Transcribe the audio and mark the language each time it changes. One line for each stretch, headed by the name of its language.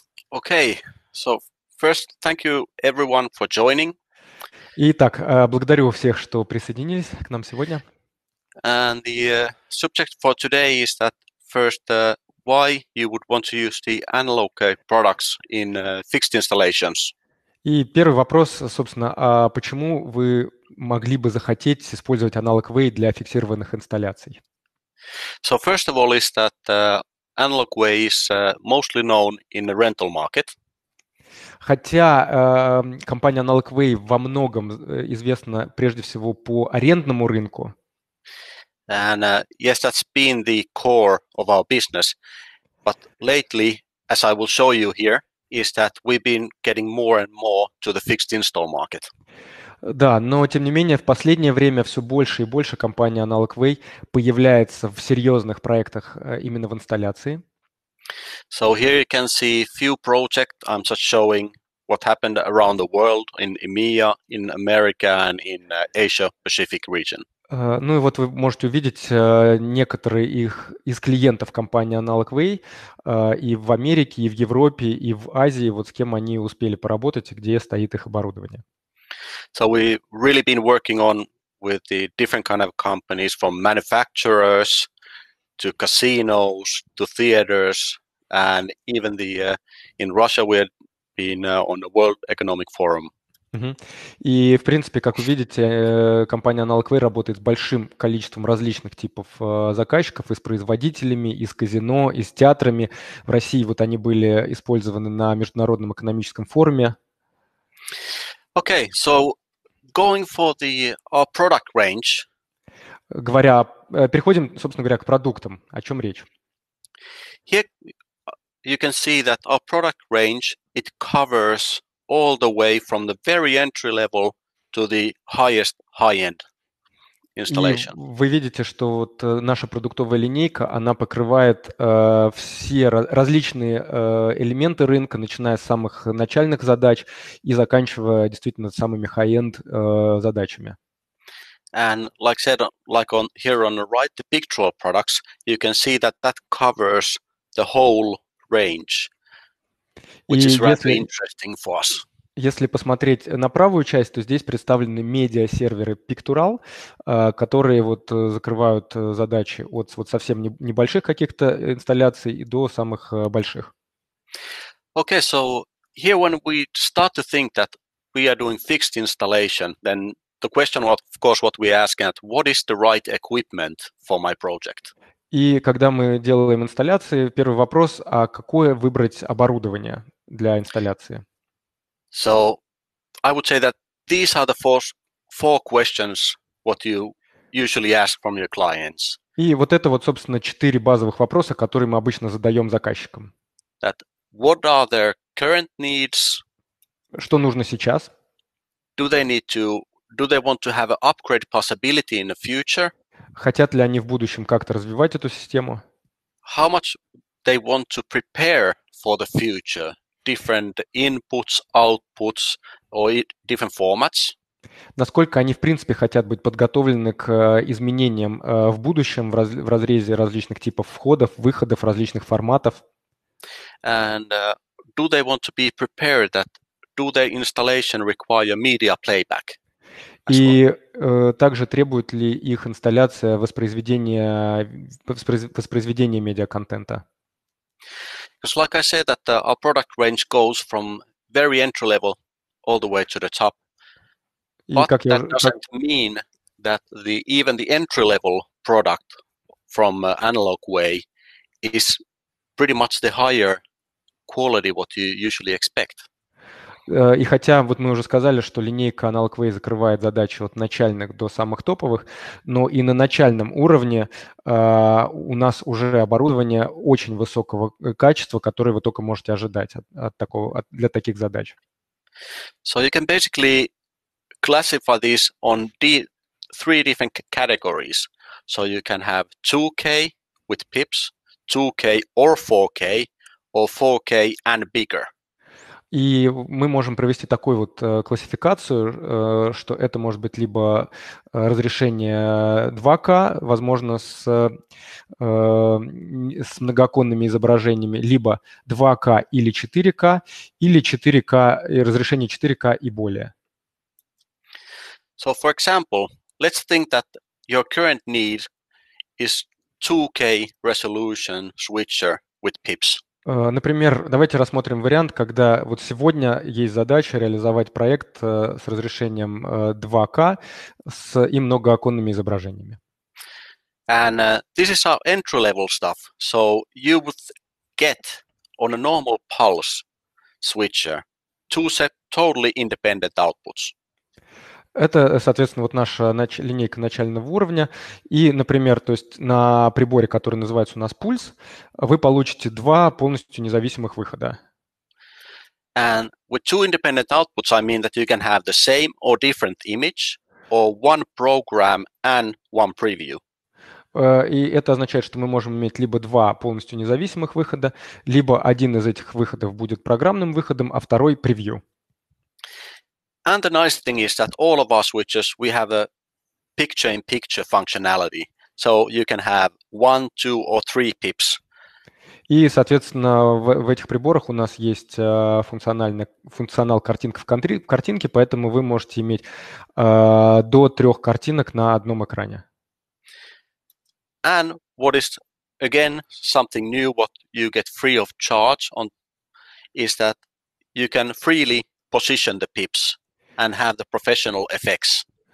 English: Okay, so first, thank you everyone for joining.
Russian: Итак, благодарю всех, что присоединились к нам сегодня.
English: And the subject for today is that first, why you would want to use the analog products in fixed installations.
Russian: И первый вопрос, собственно, а почему вы могли бы захотеть использовать Analog Way для фиксированных инсталляций?
English: So first of all is that Analog Way is mostly known in the rental market.
Russian: Хотя компания Analog Way во многом известна прежде всего по арендному рынку.
English: And yes, that's been the core of our business. But lately, as I will show you here, is that we've been getting more and more to the fixed install market.
Russian: Да, но тем не менее, в последнее время все больше и больше компания Analog Way появляется в серьезных проектах именно в инсталляции.
English: So here you can see a few projects. I'm just showing what happened around the world in EMEA, in America and in Asia-Pacific region.
Russian: Ну и вот вы можете увидеть некоторые их из клиентов компании Analog Way и в Америке, и в Европе, и в Азии, вот с кем они успели поработать, где стоит их оборудование.
English: So we've really been working on with the different kind of companies from manufacturers to casinos to theaters and even the in Russia we've been on the World Economic Forum.
Russian: И, в принципе, как вы видите, компания Analog Way работает с большим количеством различных типов заказчиков, и с производителями, и с казино, и с театрами. В России вот они были использованы на Международном экономическом форуме.
English: Okay, so going for the product range.
Russian: Говоря, переходим, собственно говоря, к продуктам. О чем речь?
English: Here you can see that our product range, it covers all the way from the very entry level to the highest high-end installation.
Russian: Вы видите, что вот наша продуктовая линейка, она покрывает все различные элементы рынка, начиная с самых начальных задач и заканчивая действительно самыми high-end задачами.
English: And like I said, like on here on the right, the Picturall products, you can see that that covers the whole range. Which is rather interesting for us.
Russian: Если посмотреть на правую часть, то здесь представлены медиа-серверы Picturall, которые вот закрывают задачи от вот совсем небольших каких-то инсталляций до самых больших.
English: Okay, so here when we start to think that we are doing fixed installation, then the question of course what we ask is what is the right equipment for my project?
Russian: И когда мы делаем инсталляции, первый вопрос, а какое выбрать оборудование для инсталляции?
English: So, I would say that these are the four questions what you usually ask from your clients.
Russian: И вот это вот, собственно, четыре базовых вопроса, которые мы обычно задаем заказчикам.
English: That what are their current needs?
Russian: Что нужно сейчас?
English: Do they want to have an upgrade possibility in the future?
Russian: Хотят ли они в будущем как-то развивать эту систему?
English: How much they want to prepare for the future? Different inputs, outputs, or different formats?
Russian: Насколько они, в принципе, хотят быть подготовлены к изменениям в будущем в разрезе различных типов входов, выходов, различных форматов?
English: And do they want to be prepared that do their installation require media playback?
Russian: И также требует ли их инсталляция воспроизведения медиа-контента?
English: Because like I said, that our product range goes from very entry level all the way to the top. But that doesn't mean that even the entry level product from Analog Way is pretty much the higher quality what you usually expect.
Russian: И хотя вот мы уже сказали, что линейка Analog Way закрывает задачи от начальных до самых топовых, но и на начальном уровне у нас уже оборудование очень высокого качества, которое вы только можете ожидать для таких задач.
English: So you can basically classify these on three different categories. So you can have 2K with pips, 2K or 4K, or 4K and bigger.
Russian: И мы можем провести такую вот классификацию, что это может быть либо разрешение 2К, возможно, с многоконными изображениями, либо 2К или 4К, или 4К, разрешение 4К и более.
English: So, for example, let's think that your current need is 2K resolution switcher with pips.
Russian: Например, давайте рассмотрим вариант, когда вот сегодня есть задача реализовать проект с разрешением 2K с и многооконными изображениями.
English: And this is our entry-level stuff. So you would get on a normal pulse switcher two set totally independent outputs.
Russian: Это, соответственно, вот наша линейка начального уровня. И, например, то есть на приборе, который называется у нас пульс, вы получите два полностью независимых выхода.
English: And with two independent outputs, I mean that you can have the same or different image, or one program and one preview.
Russian: И это означает, что мы можем иметь либо два полностью независимых выхода, либо один из этих выходов будет программным выходом, а второй — превью.
English: And the nice thing is that all of our switches, we have a picture-in-picture functionality. So you can have one, two or three pips.
Russian: И, соответственно, в этих приборах у нас есть функционал картинка в картинке, поэтому вы можете иметь до трех картинок на одном экране.
English: And what is, again, something new, what you get free of charge on, is that you can freely position the pips and have the professional effects.